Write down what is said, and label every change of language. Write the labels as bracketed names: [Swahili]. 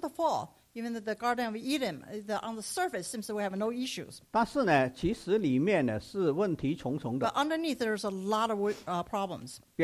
[English] the fall, even the Garden of Eden, on the surface seems we have no issues. [Chinese] 但是呢，其实里面呢是问题重重的。 [English] But underneath there is a lot of problems.